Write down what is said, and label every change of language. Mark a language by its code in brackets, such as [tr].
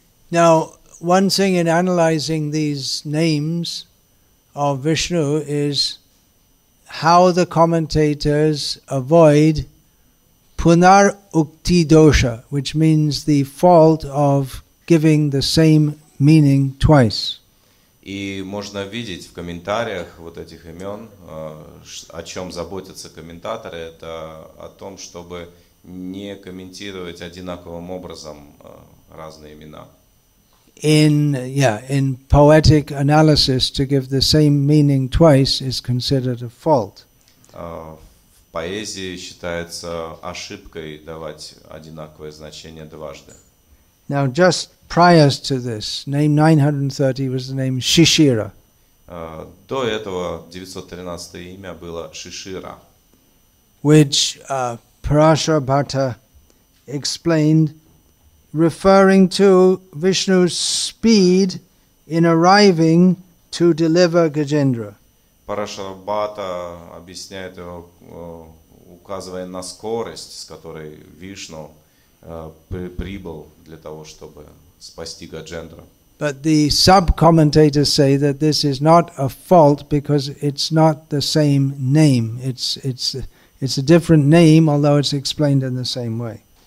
[en] Now, one thing in analyzing these names of Vishnu is how the commentators avoid punar ukti dosha, which means the fault of giving the same meaning twice. [ru] И можно видеть в комментариях вот этих имен, о чем заботятся комментаторы, это о том, чтобы не комментировать одинаковым образом разные имена. [en] In poetic analysis, to give the same meaning twice is considered a fault. [ru] В поэзии считается ошибкой давать одинаковое значение дважды. [en] Now, just prior to this, name 930 was the name Shishira. [ru] До этого 913 имя было Шишира. [en] Which Parashurabhata explained referring to Vishnu's speed in arriving to deliver Gajendra. [ru] Парашарабхата объясняет его, указывая на скорость, с которой Вишну прибыл для того, чтобы спасти Гаджендру. [en] But the sub-commentators say that this is not a fault because it's not the same name. It's a different name, although it's explained in the same way.